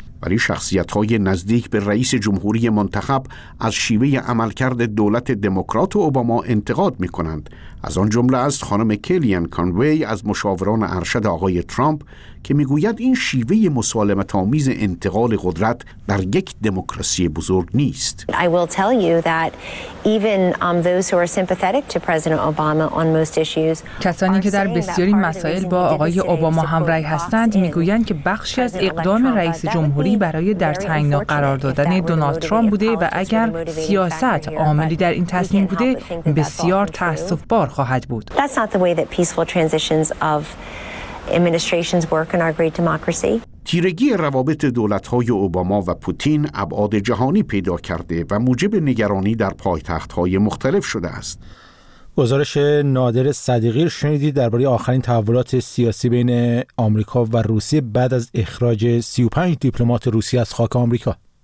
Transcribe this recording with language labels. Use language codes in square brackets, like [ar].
[fa] ولی شخصیت‌های نزدیک به رئیس جمهوری منتخب از شیوه عملکرد دولت دموکرات اوباما انتقاد می‌کنند. از آن جمله است خانم کلیان کانوی از مشاوران ارشد آقای ترامپ که می‌گوید این شیوه مسالمت‌آمیز انتقال قدرت در یک دموکراسی بزرگ نیست. [en] I will tell you that even those who are sympathetic to President Obama on most issues. [fa] کسانی که در بسیاری مسائل با آقای اوباما همراهی هستند می‌گویند که بخشی از اقدام رئیس جمهوری برای در تنگنا قرار دادن دونالد ترامپ بوده و اگر سیاست عاملی در این تصمیم بوده بسیار تأسف‌بار خواهد بود. [en] That's not the way that peaceful transitions of administrations work in our great democracy. [fa] تیرگی روابط دولت‌های اوباما و پوتین ابعاد جهانی پیدا کرده و موجب نگرانی در پایتخت‌های مختلف شده است. گزارش نادر صدیقی شنیدید درباره آخرین تحولات سیاسی بین آمریکا و روسیه بعد از اخراج 35 دیپلمات روسی از خاک آمریکا.